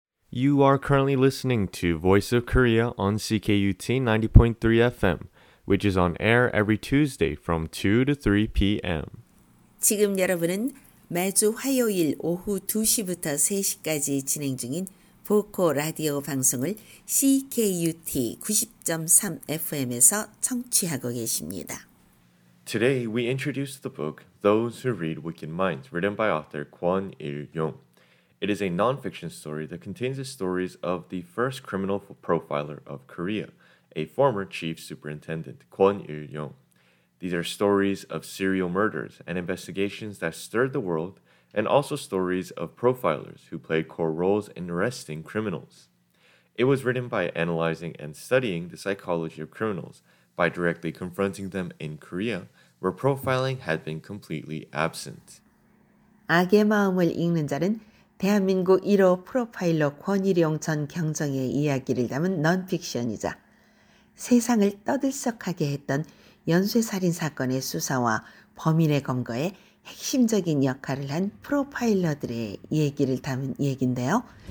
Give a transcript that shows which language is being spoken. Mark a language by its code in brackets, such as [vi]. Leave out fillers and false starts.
[en] You are currently listening to Voice of Korea on CKUT 90.3 FM, which is on air every Tuesday from 2 to 3 p.m. [ko] 지금 여러분은 매주 화요일 오후 2시부터 3시까지 진행 중인 보코 라디오 방송을 CKUT 90.3 FM에서 청취하고 계십니다. [en] Today, we introduce the book Those Who Read Wicked Minds, written by author Kwon Il-yong. It is a non-fiction story that contains the stories of the first criminal profiler of Korea, a former chief superintendent, Kwon Il-yong. These are stories of serial murders and investigations that stirred the world, and also stories of profilers who played core roles in arresting criminals. It was written by analyzing and studying the psychology of criminals by directly confronting them in Korea, where profiling had been completely absent. [ko] 악의 마음을 읽는 자는 대한민국 1호 프로파일러 권일용 전 경정의 이야기를 담은 논픽션이자 세상을 떠들썩하게 했던 연쇄살인 사건의 수사와 범인의 검거에 핵심적인 역할을 한 프로파일러들의 얘기를 담은 얘기인데요.